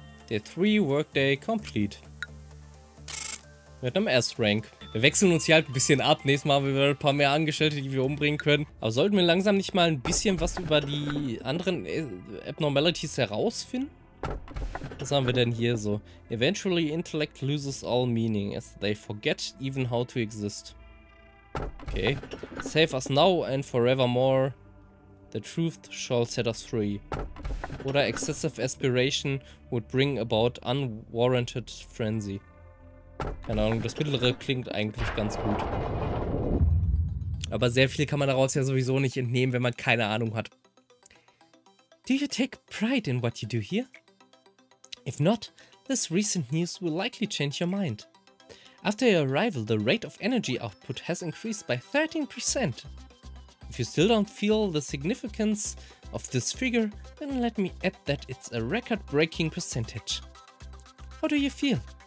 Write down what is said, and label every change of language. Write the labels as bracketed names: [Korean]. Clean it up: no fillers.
[German] Der 3-Workday complete. Mit einem S-Rank. Wir wechseln uns hier halt ein bisschen ab. Nächstes Mal haben wir ein paar mehr Angestellte, die wir umbringen können. Aber sollten wir langsam nicht mal ein bisschen was über die anderen Abnormalities herausfinden? Was haben wir denn hier so? [English] Eventually intellect loses all meaning as they forget even how to exist. Okay. Save us now and forevermore. The truth shall set us free. Oder excessive aspiration would bring about unwarranted frenzy. [German] Keine Ahnung, das mittlere klingt eigentlich ganz gut. Aber sehr viel kann man daraus ja sowieso nicht entnehmen, wenn man keine Ahnung hat. [English] Do you take pride in what you do here? If not, this recent news will likely change your mind. After your arrival, the rate of energy output has increased by 13%. If you still don't feel the significance of this figure, then let me add that it's a record-breaking percentage. How do you feel?